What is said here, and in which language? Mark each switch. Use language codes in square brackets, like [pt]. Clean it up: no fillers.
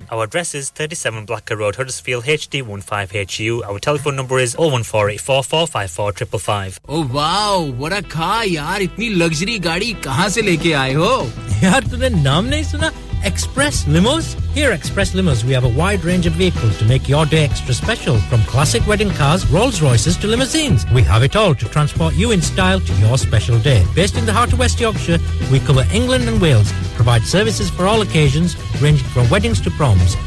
[en] Our address is 37 Blacker Road, Huddersfield, HD15HU. Our telephone number is 01484454555. [hi] Oh wow, [en] what a car [hi] यार, इतनी luxury गाड़ी कहां से लेके आए हो? यार तूने नाम नहीं सुना, Express Limos? [en] Here at Express Limos, we have a wide range of vehicles to make your day extra special, from classic wedding cars, Rolls Royces to limousines. We have it all to transport you in style to your special day. Based in the heart of West Yorkshire, we cover England and Wales, provide services for all occasions, ranging from weddings to proms.